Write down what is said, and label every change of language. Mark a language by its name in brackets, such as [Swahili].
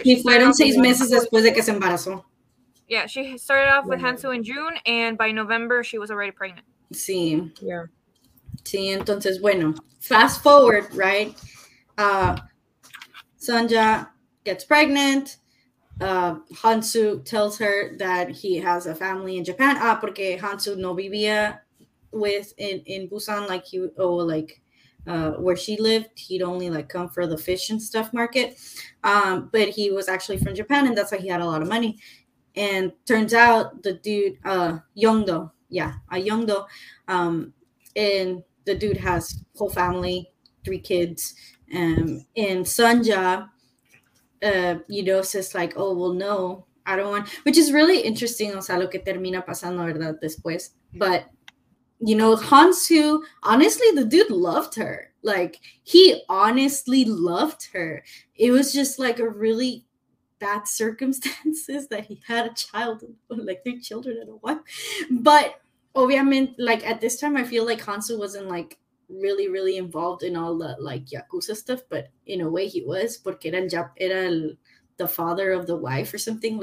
[Spanish] y fueron 6 meses después de que se embarazó. [English] Yeah, she started off with Hanzo in June, and by November she was already pregnant. [Spanish] Sí. [English] Yeah. [Spanish] Sí, entonces, bueno, fast forward, right? [English] Sanja gets pregnant. Hansu tells her that he has a family in Japan. [Spanish] Ah, porque Hansu no vivía in Busan where she lived. [English] He'd only like come for the fish and stuff market. But he was actually from Japan, and that's why he had a lot of money. And turns out the dude, Youngdo, and the dude has whole family, 3 kids, and Sanja. You know, says like, oh, well, no, I don't want, which is really interesting. [Spanish] O sea, lo que termina pasando, verdad, después. [English] But, you know, Hansu, honestly, the dude loved her. Like, he honestly loved her. It was just like a really bad circumstances that he had a child, like 3 children and a wife. But obviamente, like at this time, I feel like Hansu wasn't like really, really involved in all the like Yakuza stuff, but in a way he was, porque era the father of the wife or something.